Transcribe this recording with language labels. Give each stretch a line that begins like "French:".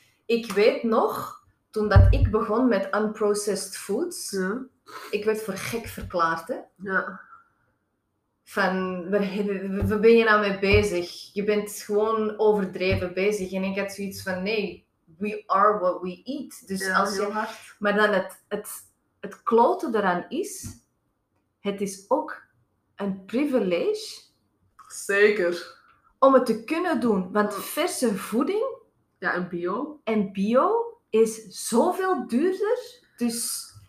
Dutch: Ik weet nog, toen dat ik begon met unprocessed foods, ik werd voor gek verklaard, hè. Ja. Van, waar ben je nou mee bezig? Je bent gewoon overdreven bezig. En ik had zoiets van, nee,
English: we are what we eat.
Dutch: Dus ja, als je... Hard. Maar dan het klote daaraan is, het is ook een privilege. Zeker. Om het te kunnen doen. Want verse voeding... Ja, en bio. En bio is zoveel duurder. Dus...